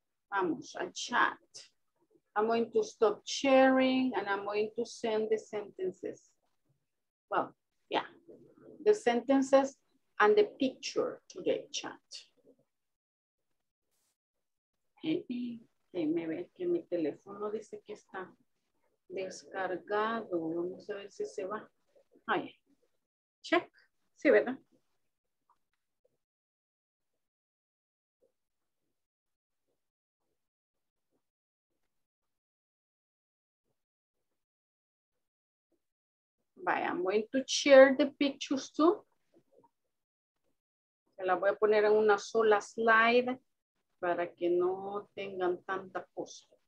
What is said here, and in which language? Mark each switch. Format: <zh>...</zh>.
<es>Vamos a chat.</es> <en>I'm going to stop sharing and I'm going to send the sentences. Well, yeah, the sentences and the picture to the chat. Okay, maybe</en> <es>que mi teléfono dice que está descargado. Vamos a ver si se va. Ay, check. Sí, ¿verdad?</es> <en>Vaya, I'm going to share the pictures too.</en> <es>Se la voy a poner en una sola slide para que no tengan tanta cosa.</es>